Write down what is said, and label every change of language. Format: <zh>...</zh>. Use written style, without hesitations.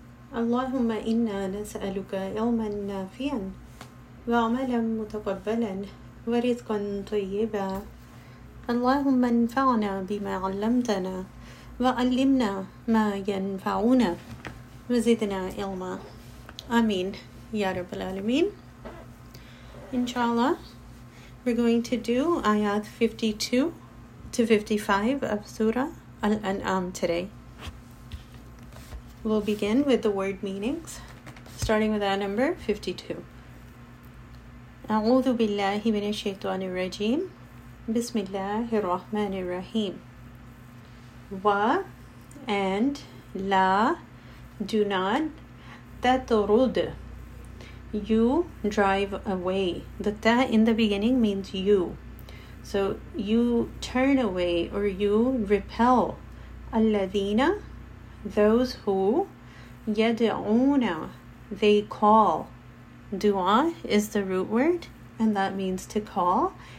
<ar>اللهم إنا نسألك علما نافعا وعملا متقبلا ورزقا طيبا اللهم انفعنا بما علمتنا وعلمنا ما ينفعنا وزدنا علما آمين يا رب العالمين.</ar> <en>Inshallah, we're going to do ayat 52 to 55 of Surah Al-An'am today. We'll begin with the word meanings, starting with ayah number 52.</en> <ar>أعوذ بالله من الشيطان الرجيم بسم الله الرحمن الرحيم و</ar> <en>and</en> <ar>لا</ar> <en>do not</en> <ar>تطرد</ar> <en>you drive away. The ta in the beginning means you. So you turn away or you repel.</en> <ar>الَّذِينَ</ar> <en>those who</en> <ar>يَدْعُونَ</ar> <en>they call. Dua is the root word and that means to call.</en>